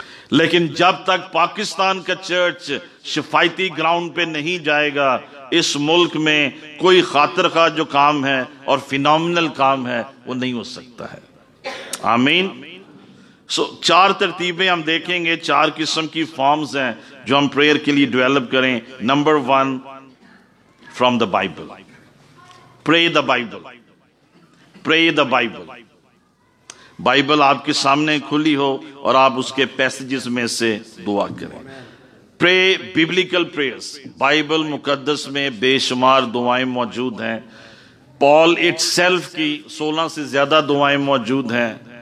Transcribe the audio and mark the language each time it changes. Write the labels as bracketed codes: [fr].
[ur] لیکن جب تک پاکستان کا چرچ شفایتی گراؤنڈ پہ نہیں جائے گا, اس ملک میں کوئی خاطر خواہ جو کام ہے اور فینومنل کام ہے وہ نہیں ہو سکتا ہے. آمین. سو چار ترتیبیں ہم دیکھیں گے, چار قسم کی فارمز ہیں جو ہم پریئر کے لیے ڈیولپ کریں. [en] Number one, from the Bible, pray the Bible, pray the Bible. [ur] بائبل آپ کے سامنے کھلی ہو اور آپ اس کے پیسجز میں سے دعا کریں. [en] Pray biblical prayers. [ur] بائبل مقدس میں بے شمار دعائیں موجود ہیں. پال اٹ سیلف کی 16 سے زیادہ دعائیں موجود ہیں.